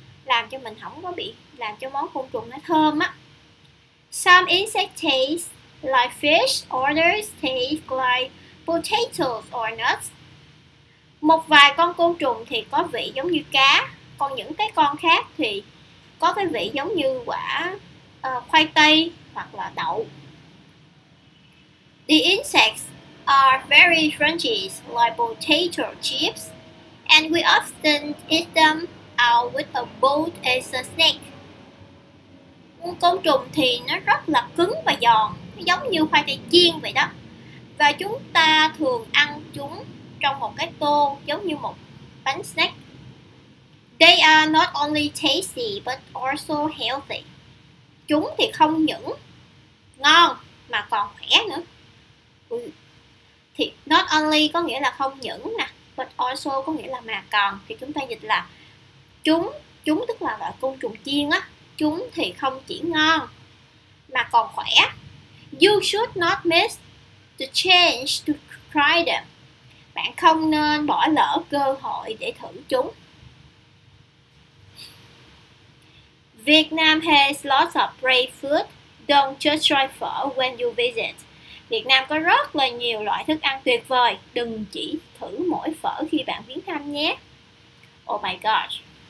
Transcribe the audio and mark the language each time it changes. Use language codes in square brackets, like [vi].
[vi] làm cho mình không có bị làm cho món côn trùng nó thơm á. [en] Some insects taste like fish, others taste like potatoes or nuts. [vi] Một vài con côn trùng thì có vị giống như cá, còn những cái con khác thì có cái vị giống như quả khoai tây hoặc là đậu. [en] The insects are very crunchy like potato chips, and we often eat them out with a bowl as a snack. [vi] Côn trùng thì nó rất là cứng và giòn, giống như khoai tây chiên vậy đó. Và chúng ta thường ăn chúng trong một cái tô giống như một bánh snack. [en] They are not only tasty but also healthy. [vi] Chúng thì không những ngon mà còn khỏe nữa. Thì [en] not only [vi] có nghĩa là không những nè, [en] but also [vi] có nghĩa là mà còn. Thì chúng ta dịch là chúng tức là loại côn trùng chiên á. Chúng thì không chỉ ngon mà còn khỏe. [en] You should not miss the chance to try them. [vi] Bạn không nên bỏ lỡ cơ hội để thử chúng. [en] Vietnam has lots of great food. Don't just try phở when you visit. [vi] Việt Nam có rất là nhiều loại thức ăn tuyệt vời. Đừng chỉ thử mỗi phở khi bạn viếng thăm nhé. [en] Oh my gosh.